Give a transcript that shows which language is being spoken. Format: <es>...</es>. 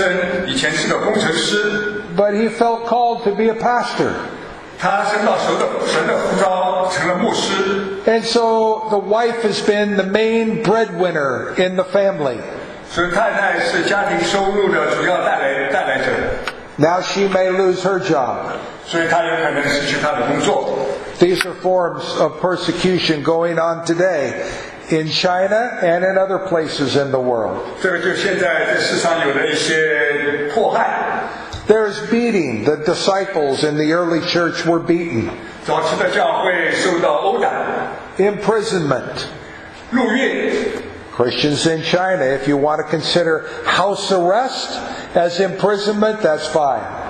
<zh>我知道有一个女士，她的先生以前是个工程师。</zh> <en>But he felt called to be a pastor.</en> <zh>他受到神的呼召成了牧师。</zh> <en>And so the wife has been the main breadwinner in the family.</en> <zh>所以太太是家庭收入的主要带来者。</zh> <en>Now she may lose her job.</en> <zh>所以她有可能失去她的工作。</zh> <en>These are forms of persecution going on today in China and in other places in the world.</en> <zh>这个就现在这世上有的一些迫害。</zh> <en>There's beating. The disciples in the early church were beaten.</en> <zh>早期的教会受到殴打。</zh> <en>Imprisonment.</en> <zh>入狱。</zh> <en>Christians in China, if you want to consider house arrest as imprisonment, that's fine.</en>